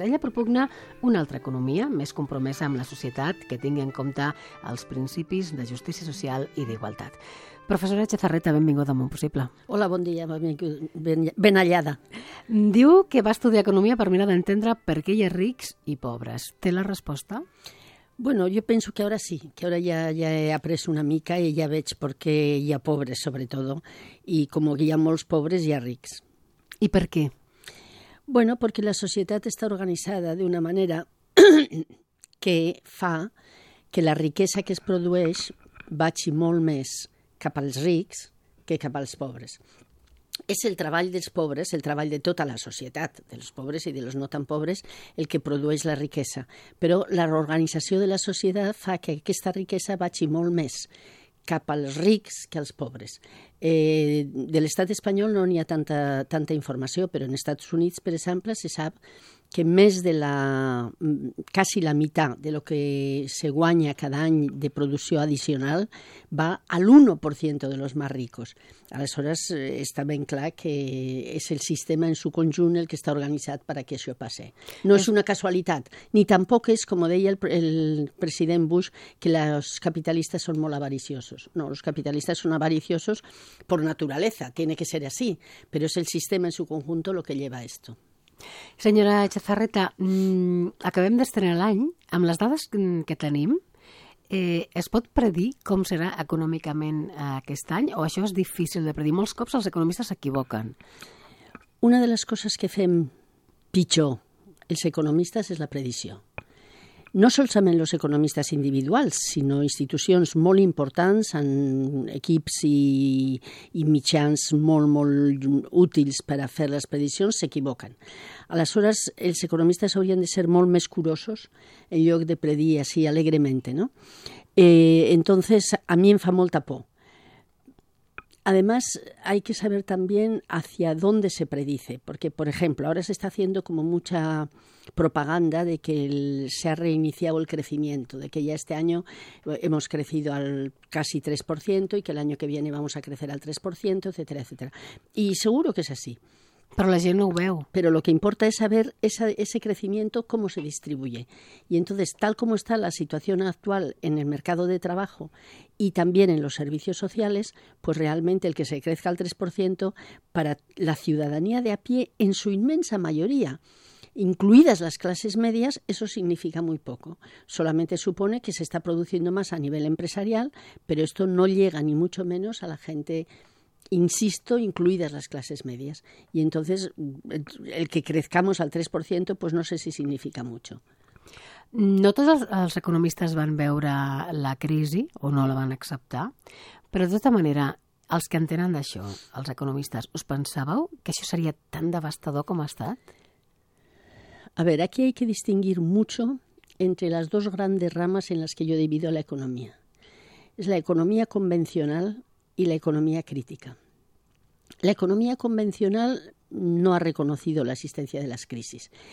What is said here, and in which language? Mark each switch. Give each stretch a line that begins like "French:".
Catalan: Ella propugna una altra economia més compromesa amb la societat que tingui en compte els principis de justícia social i d'igualtat. Professora Echezarreta, benvinguda a Món Possible. Hola, bon dia, ben hallada. Diu que va estudiar economia per mirar d'entendre per què hi ha rics i pobres. Té la resposta?
Spanish: Bueno, yo pienso que ahora sí, que ahora ya
Catalan: he après una mica
Spanish: y ya
Catalan: veig
Spanish: por qué
Catalan: hi ha pobres, sobretot,
Spanish: y como que
Catalan: hi ha molts pobres, hi ha rics.
Spanish: ¿Y por qué? Bueno, porque
Catalan: la societat està organitzada de una manera que fa que la riquesa que es produeix vagi molt més cap als rics que cap als pobres. És el treball dels pobres, el treball de tota la societat, dels pobres i dels no tan pobres, el que produeix la riquesa. Però la reorganització de la societat fa que aquesta riquesa vagi molt més cap als rics que als pobres. De l'estat espanyol no n'hi ha tanta informació, però en Estats Units, per exemple, se sap que més de la... quasi la meitat de lo que se guanya cada any de producció addicional va a l'1%
Spanish: de los más ricos.
Catalan: Aleshores, està ben clar que és el sistema en su conjunt el que està organitzat per a que això passi. No és una casualitat, ni tampoc és, com deia el president Bush, que els capitalistes són molt avariciosos. No, els capitalistes són avariciosos
Spanish: por naturaleza, tiene que ser así, pero es el sistema en su conjunto lo que lleva a esto.
Catalan: Senyora Echezarreta, acabem d'estrenar l'any. Amb les dades que tenim, es pot predir com serà econòmicament aquest any o això és difícil de predir? Molts cops els economistes s'equivoquen. Una de les coses que fem pitjor els economistes és la predicció. No solament els economistes individuals, sinó institucions molt importants, amb equips i mitjans molt, molt útils per a fer les prediccions, s'equivoquen. Aleshores, els economistes haurien de ser molt més curosos en lloc de predir així alegrement, no?
Spanish: Entonces,
Catalan: a mi em fa molta por.
Spanish: Además, hay que saber también hacia dónde se predice, porque, por ejemplo, ahora se está haciendo como mucha propaganda de que se ha reiniciado el crecimiento, de que ya este año hemos crecido al casi 3% y que el año que viene vamos a crecer al 3%, etcétera, etcétera. Y seguro que es así. Pero la gente no lo veo. Pero lo que importa es saber ese crecimiento, cómo se distribuye. Y entonces, tal como está la situación actual en el mercado de trabajo y también en los servicios sociales, pues realmente el que se crezca al 3% para la ciudadanía de a pie, en su inmensa mayoría, incluidas las clases medias, eso significa muy poco. Solamente supone que se está produciendo más a nivel empresarial, pero esto no llega ni mucho menos a la gente, insisto, incluidas las clases medias. Y entonces, el que crezcamos al 3%, pues no sé si significa mucho.
Catalan: No tots els economistes van veure la crisi o no la van acceptar, però de tota manera, els que entenen d'això, els economistes, us pensàveu que això seria tan devastador com ha estat?
Spanish: A ver, aquí hay que distinguir mucho entre las dos grandes ramas en las que yo divido la economía. Es la economía convencional y la economía crítica. La economía convencional no ha reconocido la existencia de las crisis.